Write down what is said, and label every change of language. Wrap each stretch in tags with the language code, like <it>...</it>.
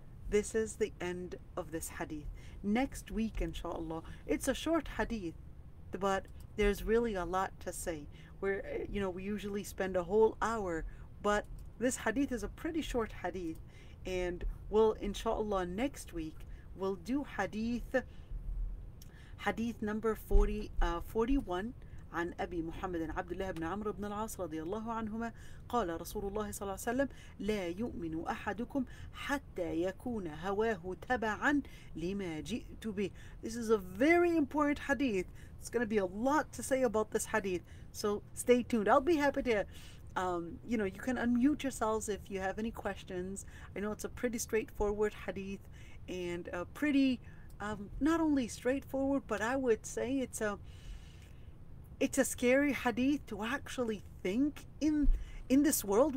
<en>This is the end of this hadith. Next week, inshallah, it's a short hadith, but there's really a lot to say. We usually spend a whole hour, but this hadith is a pretty short hadith. And we'll, inshallah, next week, we'll do hadith number 41.</en> <ar>عن أبي محمد عبد الله بن عمرو بن العاص رضي الله عنهما قال رسول الله صلى الله عليه وسلم لا يؤمن أحدكم حتى يكون هواه تبعا لما جئت به.</ar> <en>This is a very important hadith. It's going to be a lot to say about this hadith. So stay tuned. I'll be happy to, you can unmute yourselves if you have any questions. I know it's a pretty straightforward hadith and a pretty, not only straightforward, but I would say it's a scary hadith to actually think in this world.</en>